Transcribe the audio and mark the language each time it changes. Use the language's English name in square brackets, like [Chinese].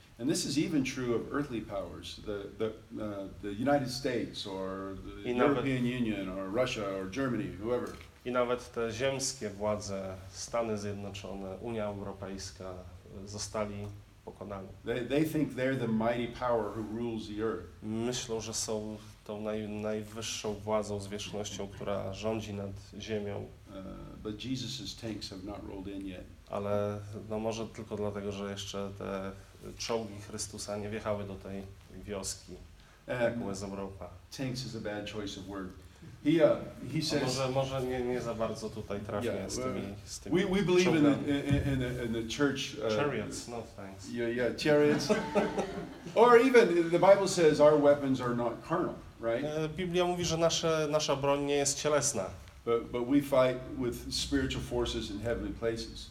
[English] And this is even true of earthly powers, the United States or European Union or Russia or Germany, whoever. [Polish] I nawet te ziemskie władze, Stany Zjednoczone, Unia Europejska, zostali pokonani. [English] They think they're the mighty power who rules the earth. [Polish] Myślą, że są tą najwyższą władzą, zwierzchnością, która rządzi nad ziemią. [English] But Jesus's tanks have not rolled in yet. [Polish] Ale no może tylko dlatego, że jeszcze te czołgi Chrystusa nie wjechały do tej wioski, jaką jest Europa. [English] Tanks is a bad choice of word. He says, [Polish] może nie za bardzo tutaj trafię z tymi czołgami. [English] We believe in the church. Chariots, no thanks. Yeah, chariots. Or even the Bible says our weapons are not carnal, right? [Polish] Biblia mówi, że nasza broń nie jest cielesna. [English] But we fight with spiritual forces in heavenly places.